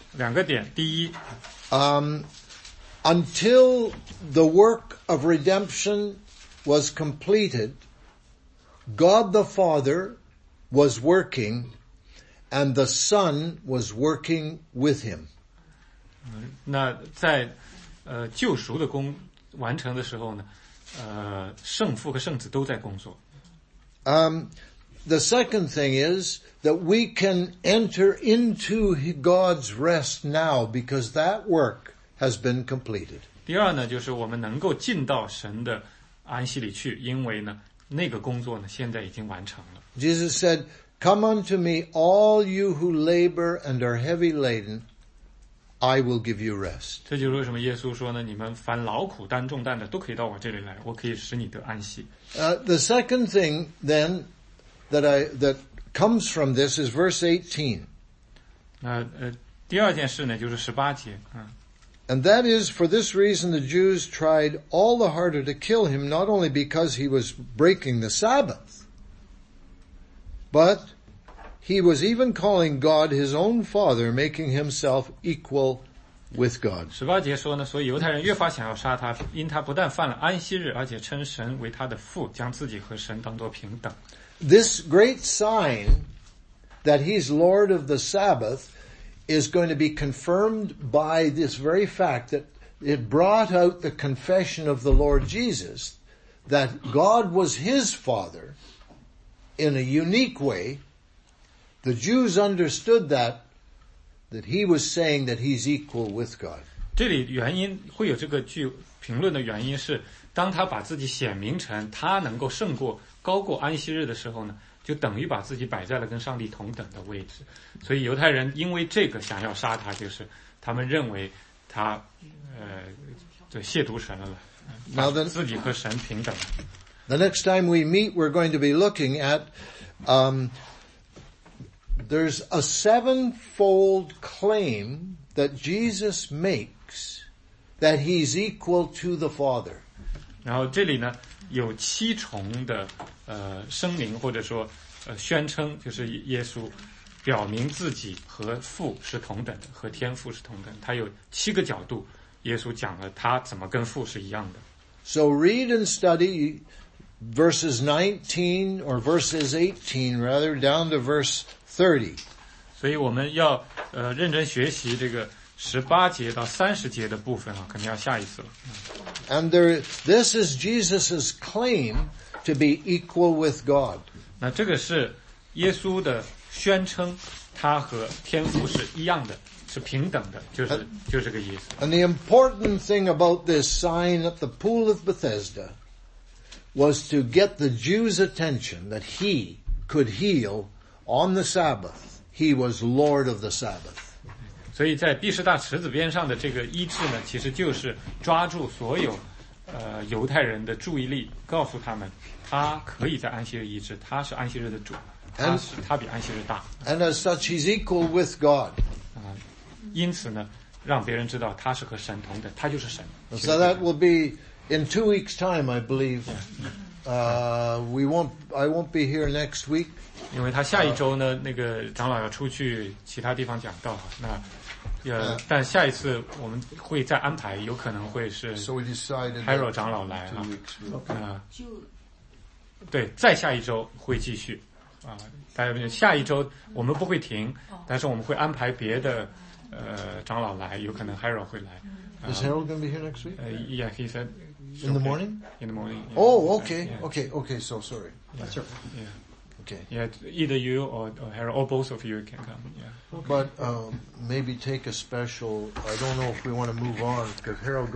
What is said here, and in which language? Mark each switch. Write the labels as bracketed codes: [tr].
[zh] 两个点，第一, [en] until the work of redemption was completed, God the Father was working and the Son was working with him. [zh] 那在救赎的工完成的时候呢，圣父和圣子都在工作。 [en] The second thing is that we can enter into God's rest now because that work has been completed. [zh] 第二呢，就是我们能够进到神的安息里去，因为呢，那个工作呢，现在已经完成了。 [en] Jesus said, Come unto me, all you who labor and are heavy laden, I will give you rest. [zh] 这就是为什么耶稣说呢，你们凡劳苦担重担的都可以到我这里来，我可以使你得安息。 [en] The second thing then that comes from this is verse 18. [zh] 第二件事呢就是十八节。 [en] And that is, for this reason, the Jews tried all the harder to kill him, not only because he was breaking the Sabbath, but he was even calling God his own father, making himself equal with God. [zh] 十八节说呢，所以犹太人越发想要杀他，因他不但犯了安息日，而且称神为他的父，将自己和神当作平等。 [en] This great sign that he's Lord of the Sabbath is going to be confirmed by this very fact that it brought out the confession of the Lord Jesus that God was his father in a unique way. The Jews understood that he was saying that he's equal with God. [zh] 这里原因会有这个句评论的原因是当他把自己显明成他能够胜过高过安息日的时候呢就等于把自己摆在了跟上帝同等的位置，所以犹太人因为这个想要杀他，就是他们认为他，就亵渎神了，把自己和神平等了。 [en] The next time we meet, we're going to be looking at, there's a sevenfold claim that Jesus makes that he's equal to the Father. [zh] 然后这里呢？有七重的声明或者说宣称就是耶稣表明自己和父是同等的和天父是同等他有七个角度耶稣讲了他怎么跟父是一样的 [en] So read and study verses 19 or verses 18 rather down to verse 30 [zh] 所以我们要认真学习这个十八节到三十节的部分啊，肯定要下一次了。 [en] And there, this is Jesus' claim to be equal with God. [zh] 那这个是耶稣的宣称，他和天父是一样的，是平等的，就是这个意思。 [en] And the important thing about this sign at the pool of Bethesda was to get the Jews' attention that he could heal on the Sabbath. He was Lord of the Sabbath. [zh] 所以在毕士大池子边上的这个医治呢，其实就是抓住所有犹太人的注意力，告诉他们，他可以在安息日医治，他是安息日的主，他比安息日大。 [en] And as such, he's equal with God. [zh] 因此呢，让别人知道他是和神同等，他就是神。 [en] So that will be in 2 weeks' time, I believe. I won't be here next week. [zh] 因为他下一周呢，那个长老要出去其他地方讲道，那。但下一次我们会再安排，有可能会是 Harold 长老来啊。对，再下一周会继续啊。大家下一周我们不会停，但是我们会安排别的长老来，有可能 Harold 会来。 [en] Is Harold going to be here next week? Yeah, he said. In the morning? In the morning. Oh, okay, okay, okay. So sorry. Yeah. Sure. Yeah. Okay. Yeah, either you or Harold, or both of you can come. Yeah. Okay. But maybe take a special. I don't know if we want to move on because Harold goes.